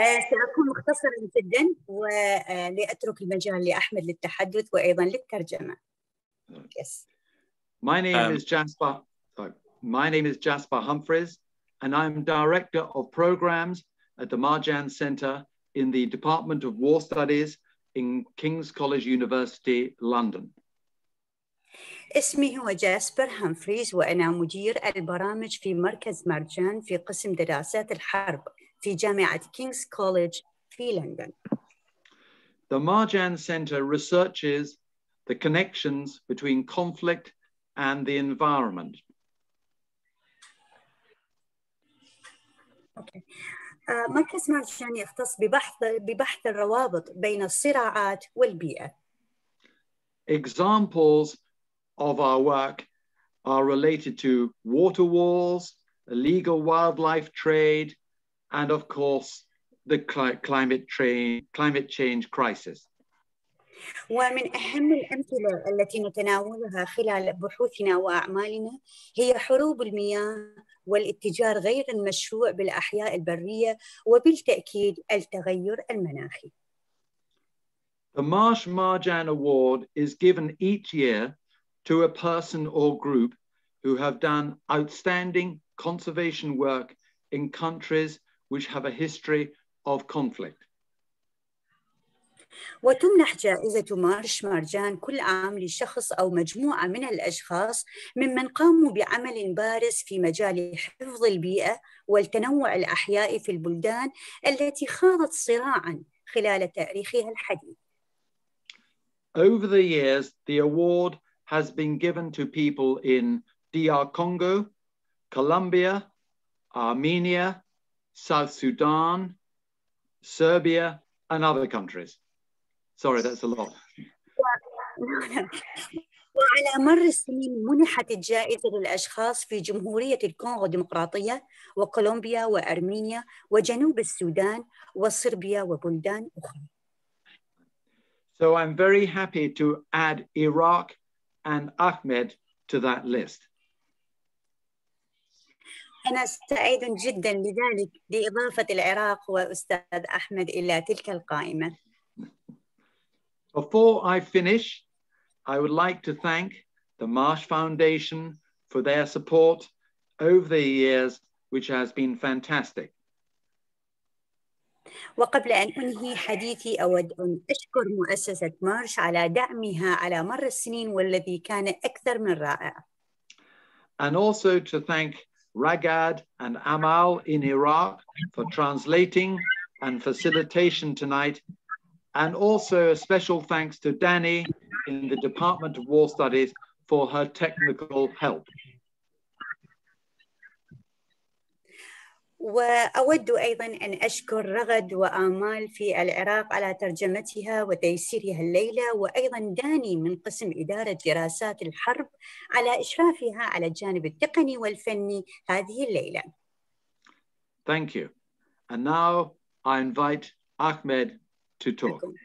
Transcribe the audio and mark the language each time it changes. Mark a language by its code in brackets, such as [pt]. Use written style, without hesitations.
[ar] سأكون مختصرا جدا ولأترك المجال لأحمد للتحدث وأيضا للترجمة. Yes. [en] My name is Jasper. My name is Jasper Humphreys, and I'm director of programs at the Marjan Centre in the Department of War Studies in King's College University, London. [ar] اسمي هو جاسبر هامفريز وأنا مدير البرامج في مركز مارجان في قسم دراسات الحرب. في جامعة King's College في لندن. [en] The Marjan Centre researches the connections between conflict and the environment. Okay. [ar] مركز مارجان يختص ببحث الروابط بين الصراعات والبيئة. [en] Examples of our work are related to water wars, illegal wildlife trade, and of course, the climate change crisis. [ar] ومن أهم الأمثلة التي نتناولها خلال بحوثنا وأعمالنا هي حروب المياه والاتجار غير المشروع بالأحياء البرية وبالتأكيد التغير المناخي. [en] The Marsh Marjan Award is given each year to a person or group who have done outstanding conservation work in countries which have a history of conflict. [ar] وتمنح جائزة مارش مارجان كل عام لشخص أو مجموعة من الأشخاص ممن قاموا بعمل بارز في مجال حفظ البيئة والتنوع الأحيائي في البلدان التي خاضت صراعاً خلال تاريخها الحديث. [en] Over the years, the award has been given to people in DR Congo, Colombia, Armenia, South Sudan, Serbia, and other countries. Sorry, that's a lot. [ar] وعلى مر السنين منحت الجائزة للأشخاص في جمهورية الكونغو الديمقراطية وكولومبيا وأرمينيا وجنوب السودان وصربيا وبلدان أخرى. [en] So I'm very happy to add Iraq and Ahmed to that list. [ar] أنا سعيد جدا لذلك لإضافة العراق وأستاذ أحمد إلى تلك القائمة. [en] Before I finish, I would like to thank the Marsh Foundation for their support over the years, which has been fantastic. [ar] وقبل أن أنهي حديثي أود أن أشكر مؤسسة مارش على دعمها على مر السنين والذي كان أكثر من رائع. [en] And also to thank Ragad and Amal in Iraq for translating and facilitation tonight, and also a special thanks to Danny in the Department of War Studies for her technical help. [ar] وأود أيضا أن أشكر رغد وآمال في العراق على ترجمتها وتيسيرها الليلة وأيضا داني من قسم إدارة دراسات الحرب على إشرافها على الجانب التقني والفني هذه الليلة. [en] Thank you. And now I invite Ahmed to talk.